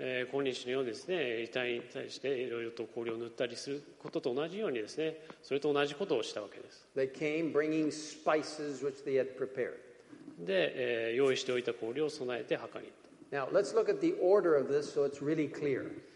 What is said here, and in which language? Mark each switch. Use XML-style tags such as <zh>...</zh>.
<ja>今日のようにですね、遺体に対していろいろと香料を塗ったりすることと同じようにですね、それと同じことをしたわけです。</ja> <en>They came bringing spices which they had prepared.</en> <ja>で、用意しておいた香料を備えて墓に行った。</ja> <en>Now, let's look at the order of this so it's really clear.</en>